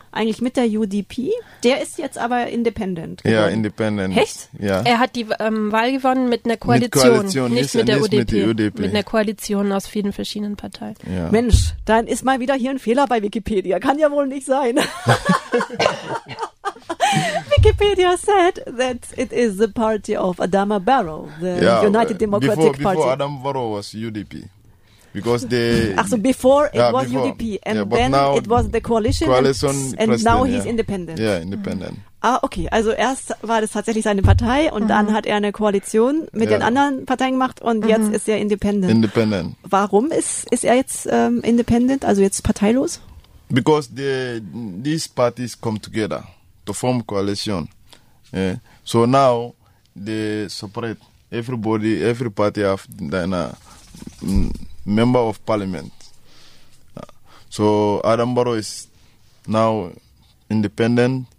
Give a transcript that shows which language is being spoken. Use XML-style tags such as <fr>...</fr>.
<de>eigentlich mit der UDP. Der ist jetzt aber independent. Ja, independent. Echt? Ja. Er hat die Wahl gewonnen mit einer Koalition. Mit der UDP. Mit einer Koalition aus vielen verschiedenen Parteien. Ja. Mensch, dann ist mal wieder hier ein Fehler bei Wikipedia. Kann ja wohl nicht sein.</de> <en>Wikipedia said that it is the party of Adama Barrow, the United Democratic Party. Before Adama Barrow was UDP. Because they, before it was UDP, and then it was the coalition and now he's independent. Yeah, independent. Ah, okay.</en> <de>Also erst war das tatsächlich seine Partei und dann hat er eine Koalition mit den anderen Parteien gemacht und jetzt ist er independent. Independent. Warum ist er jetzt independent, also jetzt parteilos?</de> <en>Because these parties come together to form coalition. Yeah. So now they separate. Every party have a member of parliament. So Adama Barrow is now independent.</en>